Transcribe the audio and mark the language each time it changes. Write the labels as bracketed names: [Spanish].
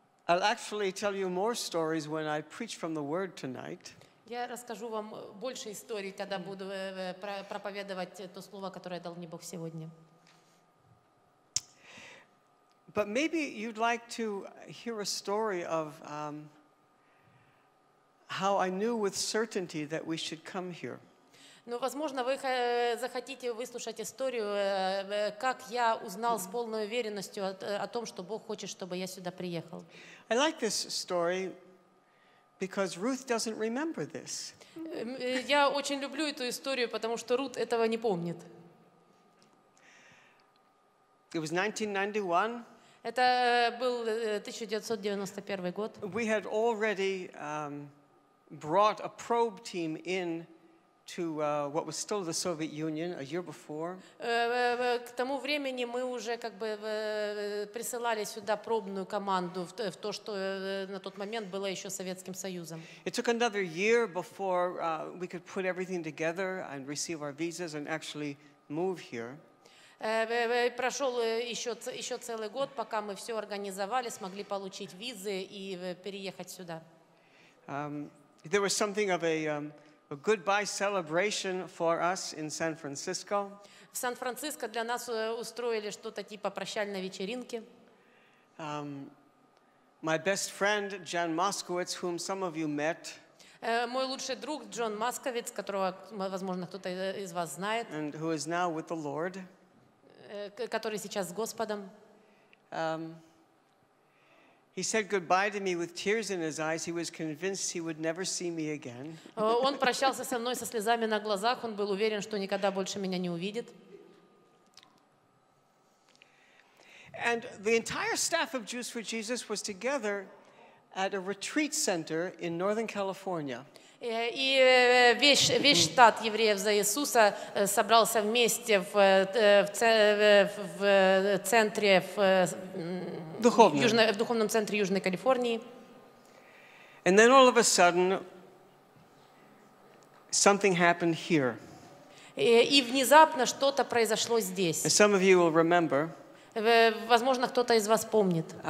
[English] I'll actually tell you more stories when I preach from the Word tonight. [Russian] Я расскажу вам больше историй, когда буду проповедовать то слово, которое дал мне Бог сегодня. [English] But maybe you'd like to hear a story of how I knew with certainty that we should come here. [Russian] Ну, возможно, вы захотите выслушать историю, как я узнал с полной уверенностью о том, что Бог хочет, чтобы я сюда приехал. [English] I like this story because Ruth doesn't remember this. [Russian] Я очень люблю эту историю, потому что Рут этого не помнит. [English] It was 1991. [Russian] Это был 1991 год. [English] We had already brought a probe team in to what was still the Soviet Union a year before. [Russian] К тому времени мы уже как бы присылали сюда пробную команду в то, что на тот момент было еще Советским Союзом. [English] It took another year before we could put everything together and receive our visas and actually move here. [Russian] Прошел еще целый год, пока мы все организовали, смогли получить визы и переехать сюда. [English] There was something of a goodbye celebration for us in San Francisco. [Russian] В Сан-Франциско для нас устроили что-то типа прощальной вечеринки. [English] My best friend Jan Moskowitz, whom some of you met. [Russian] Мой лучший друг Джон Масковиц, которого, возможно, кто-то из вас знает. [English] And who is now with the Lord. [Russian] Который сейчас с Господом. [English] He said goodbye to me with tears in his eyes. He was convinced he would never see me again. [Russian] Он прощался со мной со слезами на глазах. Он был уверен, что никогда больше меня не увидит. [English] And the entire staff of Jews for Jesus was together at a retreat center in Northern California. [Russian] И весь штат евреев за Иисуса собрался вместе в центре в духовном центре Южной Калифорнии. [English] And then all of a sudden something happened here. [Russian] И внезапно что-то произошло здесь. [English] And some of you will remember. [Russian] Возможно, кто-то из вас помнит.